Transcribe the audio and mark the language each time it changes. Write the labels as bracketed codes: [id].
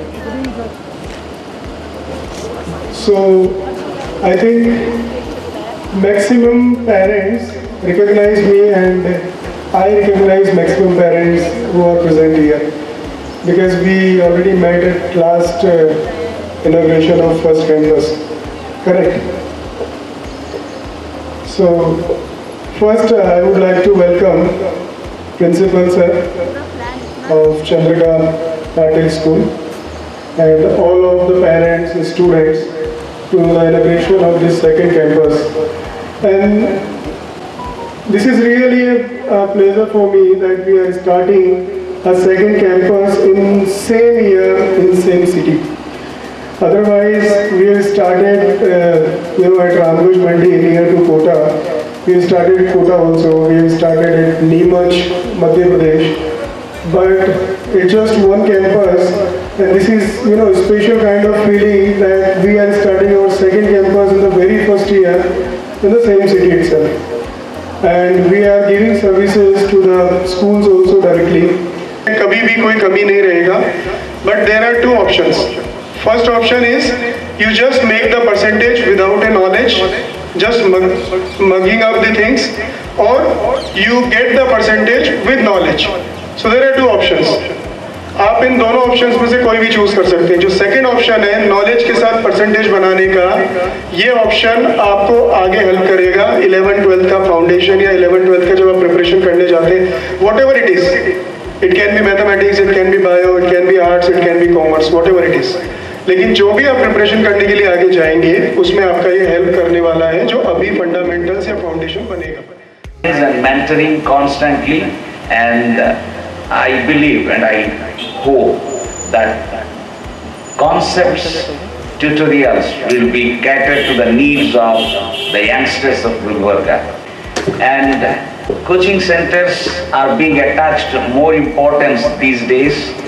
[en] So I think maximum parents recognise me and I recognise maximum parents who are present here, because we already met at last inauguration of first campus. Correct. So, first I would like to welcome Principal Sir of Chandrika Patil School and all of the parents and students to the inauguration of this second campus. And This is really a pleasure for me that we are starting a second campus in same year, in same city. Otherwise, we have started, at Ramruj Mandi near to Kota. We have started Kota also. We have started at Neemuch, Madhya Pradesh. But it's just one campus, and this is, a special kind of feeling that we are starting our second campus in the very first year in the same city itself. And we are giving services to the schools also directly. [hi] कभी भी कोई कमी नहीं रहेगा, [en] but there are two options. First option is you just make the percentage without a knowledge, just mugging up the things, or you get the percentage with knowledge. So there are two options. [hi] आप इन दोनों options में से कोई भी choose कर सकते हैं. जो second option है knowledge के साथ percentage बनाने का, ये option आपको आगे help करेगा 11th 12th का foundation या 11th 12th का जब आप preparation करने जाते हैं, [en] whatever it is. It can be mathematics, it can be bio, it can be arts, it can be commerce, whatever it is. [hi] लेकिन जो भी आप preparation करने के लिए आगे जाएंगे उसमें आपका ये help करने वाला है जो अभी fundamentals या foundation बनेगा. [en] Mentoring constantly, and I believe and I hope that concepts, tutorials will be catered to the needs of the youngsters of Gulbarga. And coaching centers are being attached to more importance these days.